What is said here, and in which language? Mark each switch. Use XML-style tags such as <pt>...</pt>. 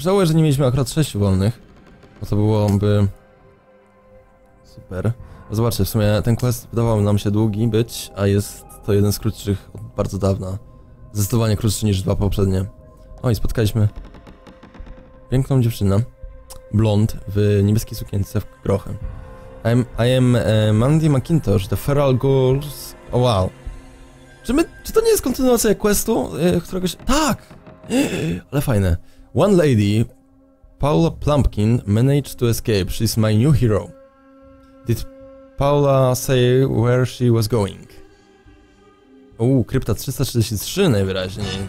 <pl>Żałuję, że nie mieliśmy akurat 6 wolnych. Bo to byłoby... Super. Zobaczcie, w sumie ten quest wydawał nam się długi być, a jest to jeden z krótszych od bardzo dawna. Zdecydowanie krótszy niż dwa poprzednie. O, i spotkaliśmy piękną dziewczynę. Blond, w niebieskiej sukience, w grochem.</pl> <en>I am Mandy McIntosh, the Feral Girls. Oh, wow.</en> <pl>Czy to nie jest kontynuacja questu, któregoś... Tak! Ale fajne.</pl> <en>One lady, Paula Plumpkin, managed to escape. She's my new hero. Did Paula say where she was going?</en> <pl>Uuu, krypta 333 najwyraźniej.</pl>